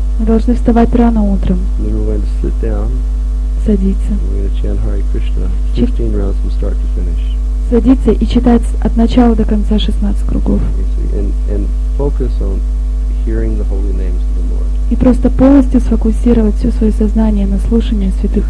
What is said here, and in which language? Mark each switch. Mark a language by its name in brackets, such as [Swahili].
[Russian] Мы должны вставать рано утром. [English] We're going to sit down. [Russian] Садиться. [English] We're going to chant Hare Krishna 16 rounds from start to finish. [Russian] Садиться и читать от начала до конца 16 кругов. [English] And focus on hearing the holy names of the Lord. [Russian] И просто полностью сфокусировать все свое сознание на слушании святых